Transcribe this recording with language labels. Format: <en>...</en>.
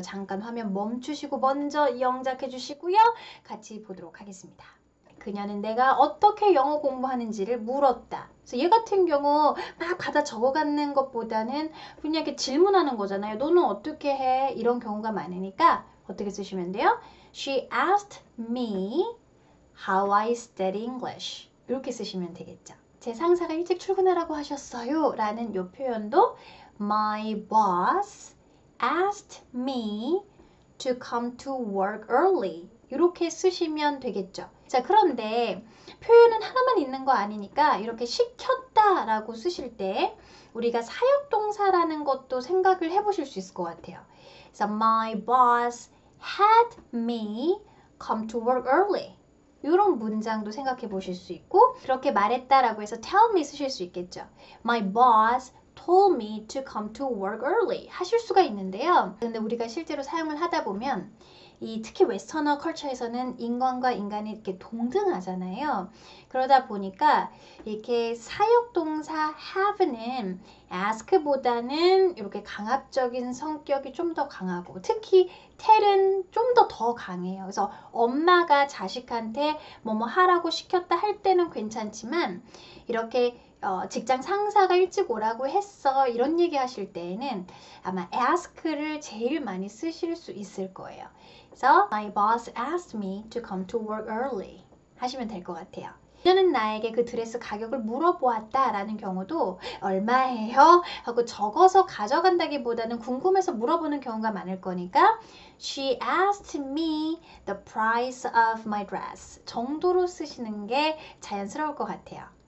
<ko>잠깐 화면 멈추시고 먼저 영작해 주시고요. 같이 보도록 하겠습니다. 그녀는 내가 어떻게 영어 공부하는지를 물었다. 그래서 얘 같은 경우 막 받아 적어가는 것보다는 그냥 이렇게 질문하는 거잖아요. 너는 어떻게 해? 이런 경우가 많으니까 어떻게 쓰시면 돼요?</ko> <en>She asked me how I studied English.</en> <ko>이렇게 쓰시면 되겠죠. 제 상사가 일찍 출근하라고 하셨어요. 라는 요 표현도</ko> <en>My boss asked me to come to work early.</en> <ko>이렇게 쓰시면 되겠죠. 자, 그런데 표현은 하나만 있는 거 아니니까 이렇게 시켰다라고 쓰실 때 우리가 사역동사라는 것도 생각을 해보실 수 있을 것 같아요. 그래서</ko> <en>My boss had me come to work early.</en> <ko>이런 문장도 생각해 보실 수 있고, 그렇게 말했다라고 해서 tell me 쓰실 수 있겠죠.</ko> <en>My boss told me to come to work early</en> <ko>하실 수가 있는데요. 근데 우리가 실제로 사용을 하다 보면, 이 특히 웨스터너 컬처에서는 인간과 인간이 이렇게 동등하잖아요. 그러다 보니까 이렇게 사역동사 have는 ask보다는 이렇게 강압적인 성격이 좀더 강하고, 특히 tell은 좀더더 강해요. 그래서 엄마가 자식한테 뭐뭐 하라고 시켰다 할 때는 괜찮지만, 이렇게 직장 상사가 일찍 오라고 했어 이런 얘기 하실 때에는 아마 ask를 제일 많이 쓰실 수 있을 거예요. 그래서</ko> <en>My boss asked me to come to work early</en> <ko>하시면 될것 같아요. 그녀는 나에게 그 드레스 가격을 물어보았다라는 경우도 얼마예요? 하고 적어서 가져간다기보다는 궁금해서 물어보는 경우가 많을 거니까</ko> <en>She asked me the price of my dress</en> <ko>정도로 쓰시는 게 자연스러울 것 같아요.</ko>